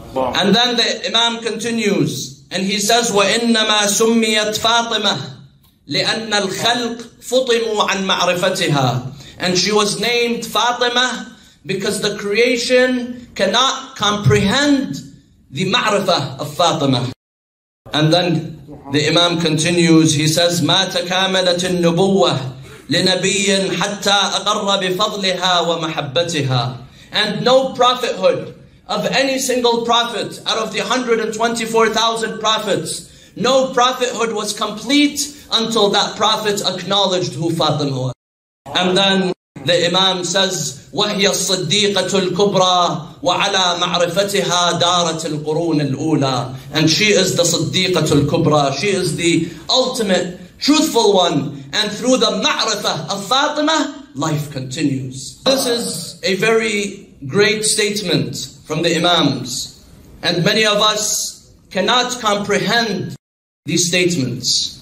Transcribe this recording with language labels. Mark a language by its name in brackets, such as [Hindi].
[English] And then the Imam continues and he says, [Arabic] وَإِنَّمَا سُمِّيَتْ فَاطِمَةَ لِأَنَّ الْخَلْقِ فُطِمُوا عَنْ مَعْرِفَتِهَا. [English] And she was named Fatima because the creation cannot comprehend the ma'rifah of Fatima. And then the Imam continues, he says, [Arabic] مَا تَكَامَلَتِ النُّبُوَّةِ لِنَبِيٍ حَتَّى أَقَرَّ بِفَضْلِهَا وَمَحَبَّتِهَا. [English] And no prophethood of any single prophet out of the 124,000 prophets, no prophethood was complete until that prophet acknowledged who Fatima was. And then the Imam says, [Arabic] وَهِيَ الصَّدِّيقَةُ الْكُبْرَى وَعَلَى مَعْرِفَتِهَا دَارَةِ الْقُرُونِ الْأُولَى. [English] And she is the [Arabic] صَدِّيقَةُ الْكُبْرَى. [English] She is the ultimate truthful one. And through the ma'rifah of Fatima, life continues. This is a very great statement from the Imams. And many of us cannot comprehend these statements.